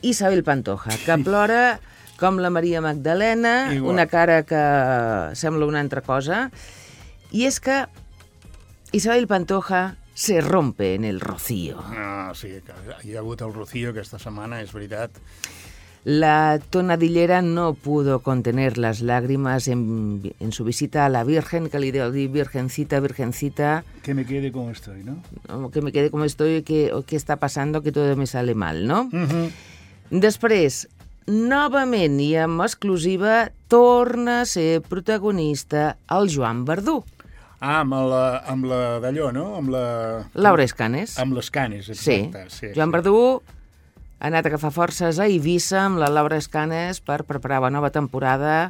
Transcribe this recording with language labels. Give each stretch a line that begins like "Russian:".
Catalan: Isabel Pantoja, que plora com la Maria Magdalena. Igual. Una cara que sembla una altra cosa. I és que Isabel Pantoja...
Spanish: se rompe en el rocío.
Catalan: Ah, sí, que hi ha hagut el rocío aquesta setmana, és veritat.
Spanish: La tonadillera no pudo contener las lágrimas en su visita a la Virgen,
Catalan: que li deu dir
Spanish: Virgencita, Virgencita... Que me quede como estoy, ¿no? Que me quede como estoy, que está pasando, que todo me sale mal, ¿no? Uh-huh.
Catalan: Després, novament i amb exclusiva, torna a ser protagonista el Joan Verdú. Ah, amb la d'allò, no? Amb la... Laura Escanes. Amb les Canes, exacte. Sí. Sí, Joan Verdú ha anat a agafar forces a Eivissa amb la Laura Escanes per preparar la nova temporada.